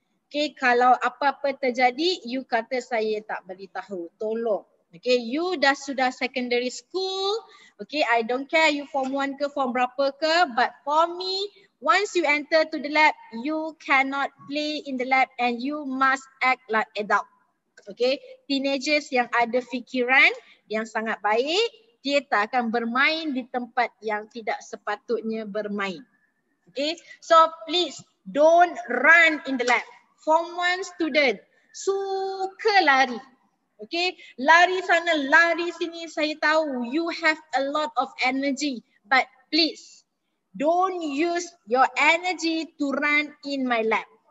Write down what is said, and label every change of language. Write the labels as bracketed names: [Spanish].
[Malay] Okay, kalau apa-apa terjadi, you kata saya tak beritahu. Tolong. [English] Okay, you [Malay] dah sudah [English] secondary school. Okay, I don't care you form 1 [Malay] ke form berapa ke. [English] But for me, once you enter to the lab, you cannot play in the lab and you must act like adult. [Malay] Okay, teenagers yang ada fikiran yang sangat baik, dia tak akan bermain di tempat yang tidak sepatutnya bermain. [English] Okay, so please don't run in the lab. [Malay] Form 1 student suka lari. Okay, lari sana, lari sini. Saya tahu [English] you have a lot of energy. But please, don't use your energy to run in my lab.